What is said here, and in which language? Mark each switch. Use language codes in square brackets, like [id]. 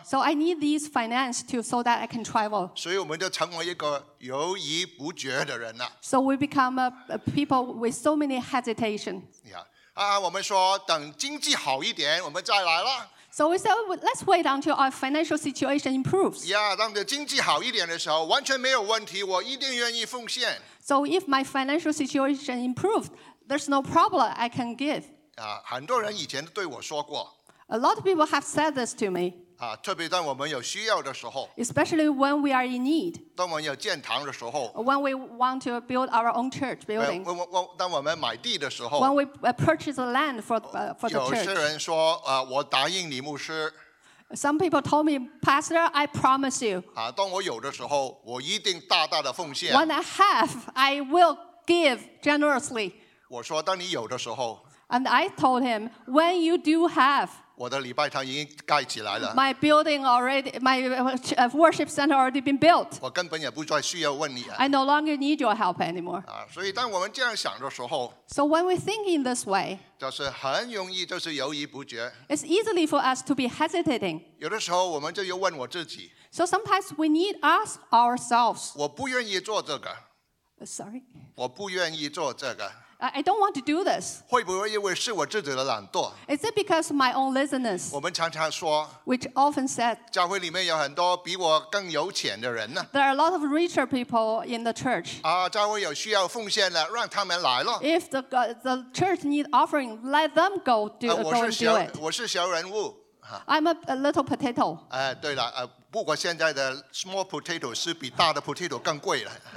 [en] So I need these finance to so that I can travel. [zh] 所以我们就成为一个犹豫不决的人了。 [en] So we become a people with so many hesitation. [zh] 我们说等经济好一点，我们再来了。 [en] So we said, let's wait until our financial situation improves. [zh] Yeah, 当经济好一点的时候，完全没有问题，我一定愿意奉献。 [en] So if my financial situation improved, there's no problem, I can give. [zh] 很多人以前对我说过。 [en] A lot of people have said this to me. [zh] 特别当我们有需要的时候。 [en] Especially when we are in need. [zh] 当我们有建堂的时候。 [en] When we want to build our own church building. [zh] 当我们买地的时候。 [en] When we purchase the land for the church. [zh] 有些人说, 我答应你牧师。 [en] Some people told me, Pastor, I promise you. [zh] 当我有的时候, 我一定大大的奉献。 [en] When I have, I will give generously. [zh] 我说, 当你有的时候, [en] And I told him, when you do have, My building already, my worship center already been built. I no longer need your help anymore. So when we think in this way, it's easily for us to be hesitating. So sometimes we need to ask ourselves, [zh] 我不愿意做这个, [en] sorry, [zh] 我不愿意做这个, [en] I don't want to do this. [zh] 会不会因为是我自己的懒惰? [en] Is it because of my own laziness? [zh] 我们常常说, [en] which often said, [zh] 教会里面有很多比我更有钱的人呢? [en] There are a lot of richer people in the church. [zh] 教会有需要奉献了, 让他们来咯。 [en] If the church needs offering, let them go, go and do it. [zh] 我是小人物, [en] I'm a little potato. [zh] 对了, 不过现在的 [en] small potato [zh] 是比大的 potato 更贵了。